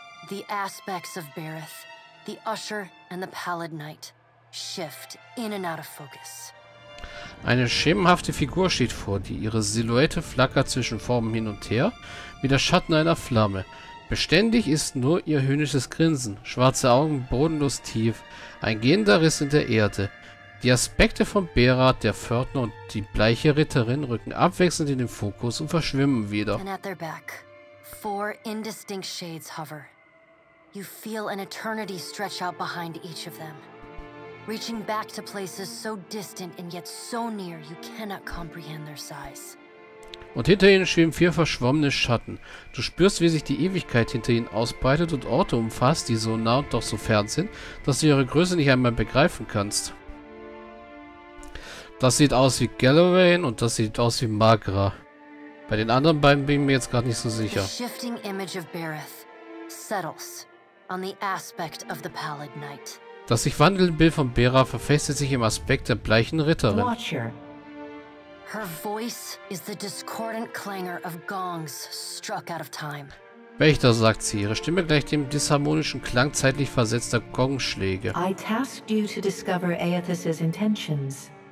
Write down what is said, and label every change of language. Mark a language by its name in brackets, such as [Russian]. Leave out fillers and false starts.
[English] The aspects of Barath, the Usher and the Pallid Knight, shift in and out of focus. [German] Eine schemenhafte Figur steht vor dir. Ihre Silhouette flackert zwischen Formen hin und her, wie der Schatten einer Flamme. Beständig ist nur ihr höhnisches Grinsen, schwarze Augen bodenlos tief, ein gehender Riss in der Erde. Die Aspekte von Barath, der Pförtner und die bleiche Ritterin rücken abwechselnd in den Fokus und verschwimmen wieder. [English] And at their back, 4 indistinct shades hover. You feel an eternity stretch out behind each of them, reaching back to places so distant and yet so near you cannot comprehend their size. [German] und hinter ihnen schweben vier verschwommene Schatten. Du spürst, wie sich die Ewigkeit hinter ihnen ausbreitet und Orte umfasst, die so nah und doch so fern sind, dass du ihre Größe nicht einmal begreifen kannst. Das sieht aus wie Galloway und das sieht aus wie Magra. Bei den anderen beiden bin ich mir jetzt gerade nicht so sicher. [English] Das shifting image of Barath settles on the aspect of the pallid knight. [German] Das sich wandelnde Bild von Bera verfestet sich im Aspekt der bleichen Ritterin. [English] Her voice is the discordant clangor of gongs struck out of time. [German] Wächter, sagt sie, ihre Stimme gleicht dem disharmonischen Klang zeitlich versetzter Gongschläge. [English] I tasked you to discover Aethys's intentions.